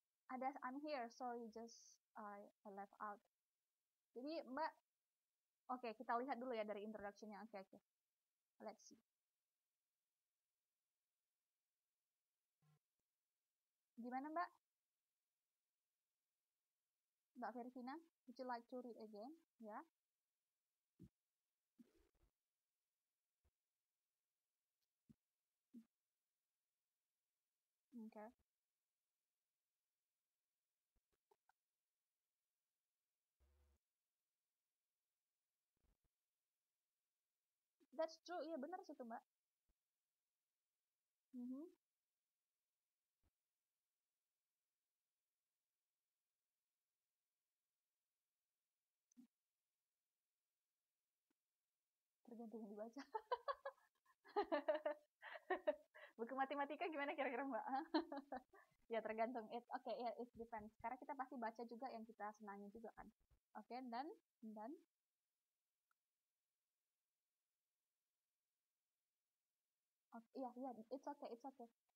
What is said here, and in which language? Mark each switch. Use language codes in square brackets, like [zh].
[en] Ada I'm here, sorry, just I left out. [id] Jadi Mbak, oke, kita lihat dulu ya dari introduction-nya. [en] Oke. Let's see. [id] Gimana Mbak? [en] Mbak Verfina, would you like to read again? Ya. Yeah. Oke. That's true, [id] iya benar sih itu Mbak. Tergantung dibaca. Buku matematika gimana kira-kira Mbak? Ya tergantung it. Oke, ya [en] it depends. [id] Karena kita pasti baca juga yang kita senangi juga kan. [en] Oke, dan oke, iya, it's okay, it's okay.